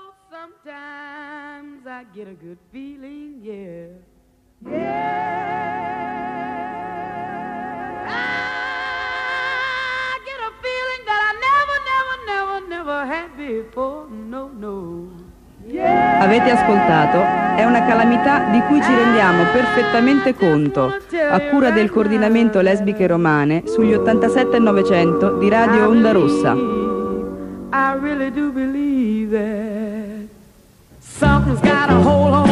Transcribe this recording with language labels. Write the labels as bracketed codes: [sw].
[en] Sometimes I get a good feeling, yeah. I get a feeling that I never, never, never, never had before. No, no. Yeah. [it] Avete ascoltato È una calamità di cui ci rendiamo perfettamente conto, a cura del coordinamento lesbiche romane sugli 87.900 di Radio Onda Rossa. [en] I really do believe that something's got a hold.